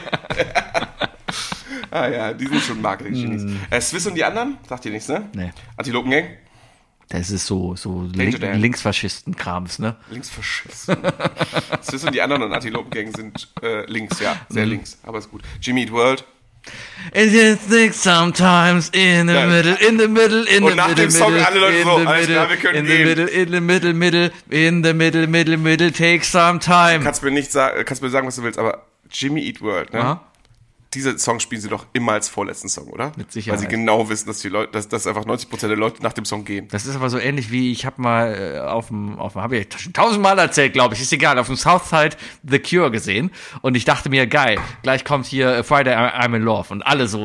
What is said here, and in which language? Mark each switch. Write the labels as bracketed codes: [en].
[de] Okay. Ah ja, die sind schon Marketing-Genies. Swiss und die anderen? Sagt ihr nichts, ne? Nee. Antilopen-Gang? Das ist so Linksfaschisten-Krams, ne? Linksfaschisten. Swiss und die anderen und Antilopen-Gang sind links, ja. Sehr links, aber ist gut. Jimmy Eat World. [en] And you think sometimes in the middle, in the middle, in the middle, [de] und nach dem Song alle Leute so, alles klar, wir können gehen. [en] In the middle, take some time. [de] Kannst mir sagen, was du willst, aber Jimmy Eat World, ne? Aha. Diese Song spielen sie doch immer als vorletzten Song, oder? Mit Sicherheit. Weil sie genau wissen, dass die Leute, dass einfach 90% der Leute nach dem Song gehen. Das ist aber so ähnlich wie, ich habe mal auf dem, habe ich schon tausendmal erzählt, glaube ich, ist egal, auf dem Southside The Cure gesehen. Und ich dachte mir, geil, gleich kommt hier Friday I'm in Love und alle so.